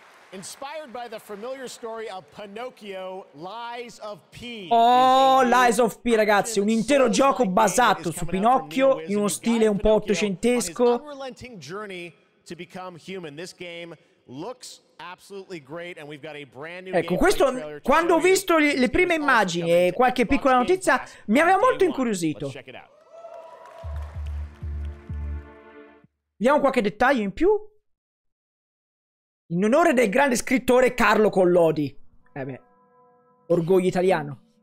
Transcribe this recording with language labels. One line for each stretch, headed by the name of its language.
English: Inspired by the familiar story of Pinocchio, Lies of P.
Italian: Oh, Lies of P, ragazzi, un intero gioco basato su Pinocchio in uno stile un po' ottocentesco.
English: Unrelenting journey to become human. This game looks absolutely great and we've got a brand new.
Italian: Ecco, questo quando ho visto le prime immagini e qualche piccola notizia mi aveva molto incuriosito. Vediamo qualche dettaglio in più. In onore del grande scrittore Carlo Collodi. Orgoglio italiano.